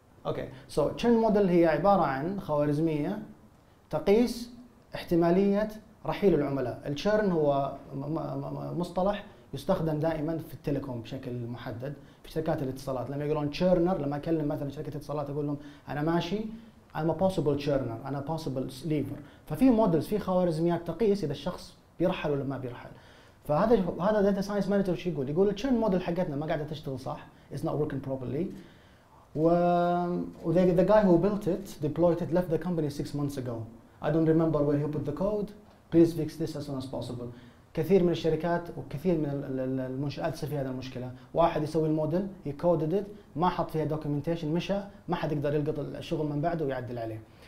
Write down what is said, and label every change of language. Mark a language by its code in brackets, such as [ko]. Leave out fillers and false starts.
[en] Okay, so churn model [ar] هي عبارة عن خوارزمية تقيس احتمالية رحيل العملاء. الchurn هو مصطلح يستخدم دائما في التليكوم بشكل محدد في شركات الاتصالات. لما يقولون churner، لما أكلم مثلا شركة اتصالات أقول لهم أنا ماشي، [en] I'm a possible churner, I'm a possible sleever. [ar] ففي مودلز, في خوارزميات تقيس اذا الشخص بيرحل ولا ما بيرحل. فهذا داتا ساينس مانجر شو يقول؟ يقول الشيرن موديل حقتنا ما قاعده تشتغل صح, [en] it's not working properly. و the guy who built it, deployed it, left the company 6 months ago. I don't remember where he put the code. Please fix this as soon as possible. [ar] كثير من الشركات وكثير من المنشآت تصير فيها هذه المشكلة. واحد يسوي الموديل, [en] he coded it, [ar] ما حط فيها documentation, مشى, ما حد يقدر يلقط الشغل من بعده ويعدل عليه.